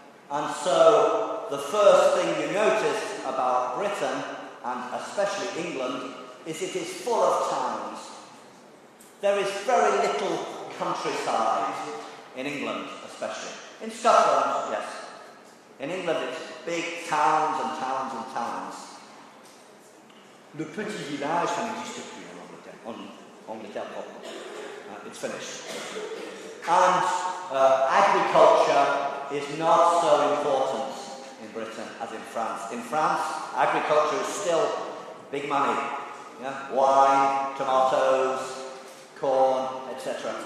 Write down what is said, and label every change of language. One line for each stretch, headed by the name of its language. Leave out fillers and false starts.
English: And so the first thing you notice about Britain, and especially England, is it is full of towns. There is very little countryside in England, especially. In Scotland, yes. In England, it's big towns and towns and towns.
French: Le petit village, ça n'existe plus en Angleterre. En Angleterre
English: proper. It's finished. And agriculture is not so important in Britain as in France. In France, agriculture is still big money. Yeah? Wine, tomatoes, corn, etc.